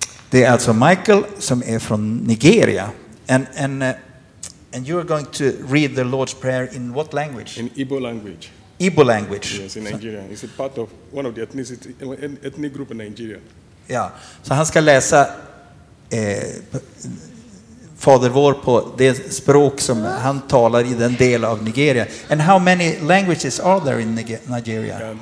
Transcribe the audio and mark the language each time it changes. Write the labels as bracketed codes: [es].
[sv] Det är alltså Michael som är från Nigeria. [en] And you are going to read the Lord's Prayer in what language? In Igbo language. Igbo language. Yes, in Nigeria. It's a part of one of the ethnic group in Nigeria. [sv] Ja, så han ska läsa Fader vår på det språk som han talar i den del av Nigeria. [en] And how many languages are there in Nigeria?